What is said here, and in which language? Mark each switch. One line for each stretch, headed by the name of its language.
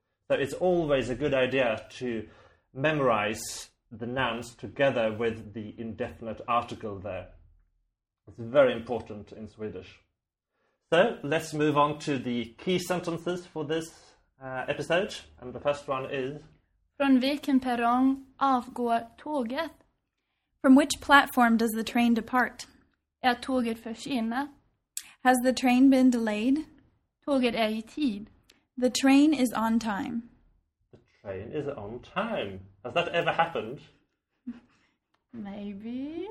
English: So it's always a good idea to memorize the nouns together with the indefinite article there. It's very important in Swedish. So let's move on to the key sentences for this episode. And the first one is...
Swedish: Från vilken perrong avgår tåget?
English: From which platform does the train depart?
Swedish: Är tåget försenat?
English: Has the train been delayed?
Swedish: Tåget är i tid.
English: The train is on time. The train is on time. Has that ever happened? Maybe.